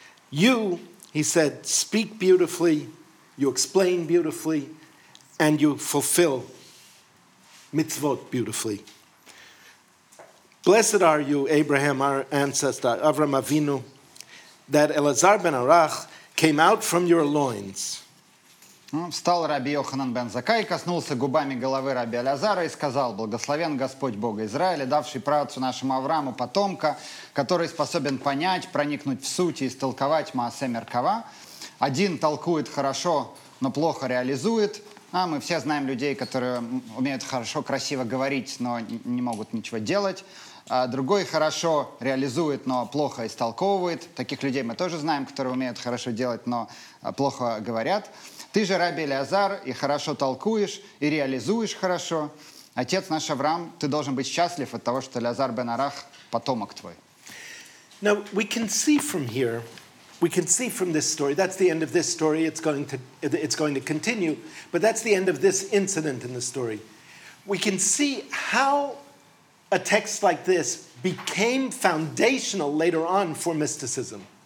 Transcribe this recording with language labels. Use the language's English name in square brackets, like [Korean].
[English] You, he said, speak beautifully, you explain beautifully, and you fulfill mitzvot beautifully. Blessed are you, Abraham, our ancestor, Avram Avinu, that Elazar ben Arach came out from your loins. [Russian] Встал Раби Йоханан бен Закай, коснулся губами головы Раби Элазара и сказал, «Благословен Господь Бога Израиля, давший праотцу нашему Аврааму потомка, который способен понять, проникнуть в суть и истолковать Маасе Меркава. Один толкует хорошо, но плохо реализует. А мы все знаем людей, которые умеют хорошо, красиво говорить, но не могут ничего делать. А другой хорошо реализует, но плохо истолковывает. Таких людей мы тоже знаем, которые умеют хорошо делать, но плохо говорят». Ты же, Раби Элиазар, и хорошо толкуешь, и реализуешь хорошо. Отец наш Авраам, ты должен быть счастлив от того, что Элиазар бен Арах – потомок твой. [English] Now, we can see from here, we can see from this story, that's the end of this story, it's going to continue, but that's the end of this incident in the story. We can see how a text like this became foundational later on for mysticism.